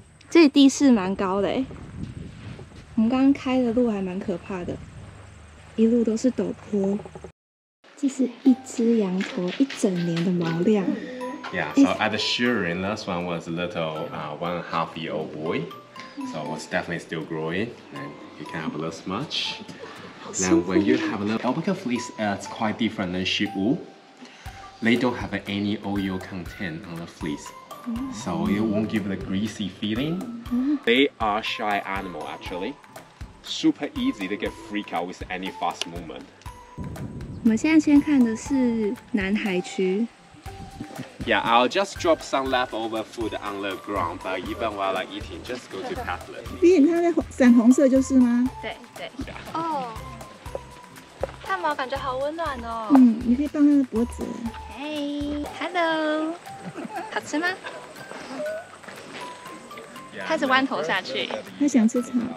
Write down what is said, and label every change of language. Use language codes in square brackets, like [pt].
[zh] 这地势蛮高的，我们刚刚开的路还蛮可怕的，一路都是陡坡。这是一只羊驼一整年的毛量。 [en] Yeah, so at the shearing, last one was a little one-half-year-old boy, so it's definitely still growing, and you can have this much. Then when you have a little alpaca fleece, it's quite different than sheep wool. They don't have any oil content on the fleece, so it won't give the greasy feeling. They are shy animal actually, super easy to get freak out with any fast movement. [zh] 我们现在先看的是南海区。 [en] Yeah, I'll just drop some leftover food on the ground, but even while I'm eating, just go to pet the. [zh] 你看它的粉红色就是吗？对对。哦、yeah. oh.。感觉好温暖哦。嗯，你可以抱他的脖子。 [en] Hey，Hello， [zh] 好吃吗？他是弯头下去，他想吃草。